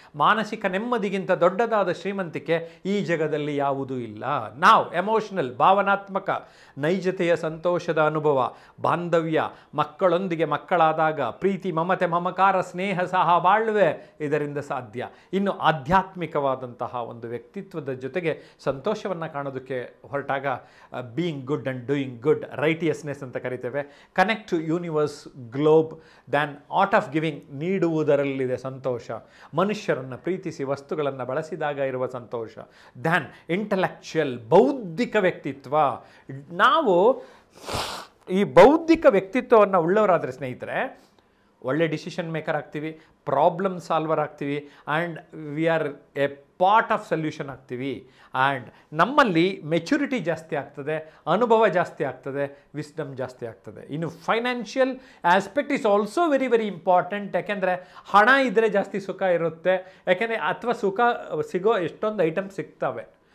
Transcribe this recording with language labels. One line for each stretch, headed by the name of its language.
Kannada: ಮಾನಸಿಕ ನೆಮ್ಮದಿಗಿಂತ ದೊಡ್ಡದಾದ ಶ್ರೀಮಂತಿಕೆ ಈ ಜಗದಲ್ಲಿ ಯಾವುದೂ ಇಲ್ಲ. ನಾವು ಎಮೋಷನಲ್ ಭಾವನಾತ್ಮಕ ನೈಜತೆಯ ಸಂತೋಷದ ಅನುಭವ, ಬಾಂಧವ್ಯ, ಮಕ್ಕಳೊಂದಿಗೆ ಮಕ್ಕಳಾದಾಗ ಪ್ರೀತಿ ಮಮತೆ ಮಮಕಾರ ಸ್ನೇಹ ಸಹ ಬಾಳ್ವೆ ಇದರಿಂದ ಸಾಧ್ಯ. ಇನ್ನು ಆಧ್ಯಾತ್ಮಿಕವಾದಂತಹ ಒಂದು ವ್ಯಕ್ತಿತ್ವದ ಜೊತೆಗೆ ಸಂತೋಷವನ್ನು ಕಾಣೋದಕ್ಕೆ ಹೊರಟಾಗ
English: being good and doing good,
Kannada: righteousness anta karitheve,
English: connect to universe globe, then art of giving,
Kannada: needuvudaralide santosha, manushyaranna preethisi vastugalanna balasidaga iruva santosha, then intellectual bauddhika vyaktitva. Naavu ee bauddhika vyaktitvavanna ullavaradre snehitare olle decision maker aagtivi, problem solver aagtivi, and we are a part of solution ಆಗ್ತೀವಿ. And ನಮ್ಮಲ್ಲಿ maturity ಜಾಸ್ತಿ ಆಗ್ತದೆ, ಅನುಭವ ಜಾಸ್ತಿ ಆಗ್ತದೆ, wisdom ಜಾಸ್ತಿ ಆಗ್ತದೆ.
English: ಇನ್ನು financial aspect is also very very important.
Kannada: ಯಾಕೆಂದರೆ ಹಣ ಇದ್ದರೆ ಜಾಸ್ತಿ ಸುಖ ಇರುತ್ತೆ, ಯಾಕೆಂದರೆ ಅಥವಾ ಸುಖ ಸಿಗೋ ಎಷ್ಟೊಂದು ಐಟಮ್ಸ್ ಸಿಗ್ತವೆ.